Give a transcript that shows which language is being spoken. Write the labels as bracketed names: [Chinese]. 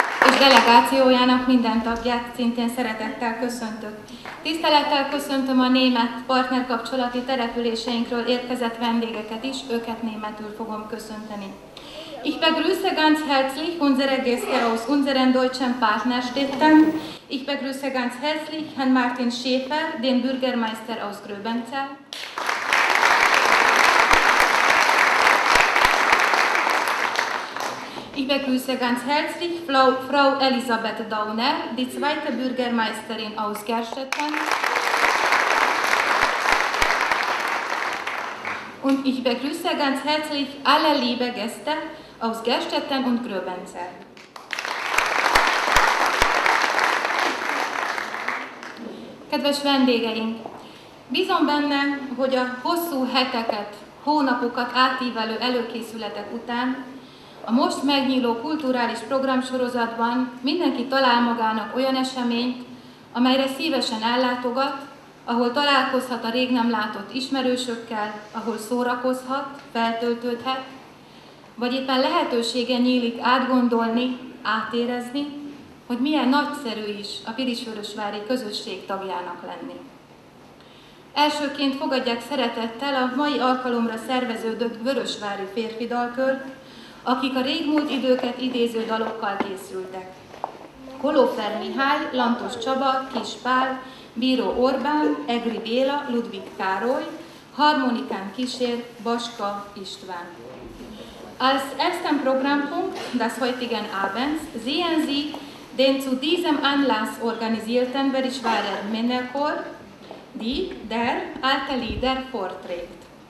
[Hungarian] És delegációjának minden tagját szintén szeretettel köszöntök. Tisztelettel köszöntöm a német partnerkapcsolati településeinkről érkezett vendégeket is, őket németül fogom köszönteni. [German] Ich begrüße ganz herzlich unser Gäste aus unseren deutschen Partnerstädten. Ich begrüße ganz herzlich Herrn Martin Schäfer, den Bürgermeister aus Gröbenzell. Ich begrüße ganz herzlich Frau Elisabeth Dauner, die zweite Bürgermeisterin aus Gerstetten. Und ich begrüße ganz herzlich alle liebe Gäste aus Gerstetten und Gröbenzell. [Hungarian] Kedves vendégeink, bízom benne, hogy a hosszú heteket, hónapokat átívelő előkészületek után a most megnyíló kulturális programsorozatban mindenki talál magának olyan eseményt, amelyre szívesen ellátogat, ahol találkozhat a rég nem látott ismerősökkel, ahol szórakozhat, feltöltődhet, vagy éppen lehetősége nyílik átgondolni, átérezni, hogy milyen nagyszerű is a pilisvörösvári közösség tagjának lenni. Elsőként fogadják szeretettel a mai alkalomra szerveződött Vörösvári férfi dalkört, akik a régmúlt időket idéző dalokkal készültek. Kolófer Mihály, Lantos Csaba, Kis Pál, Bíró Orbán, Egri Béla, Ludwig Károly, harmonikán kísér Baska István. [German] Als ersten Programmpunkt des heutigen Abends sehen Sie den zu diesem Anlass organisierten Vörösvárer Männerchor, der alte Lieder vorträgt.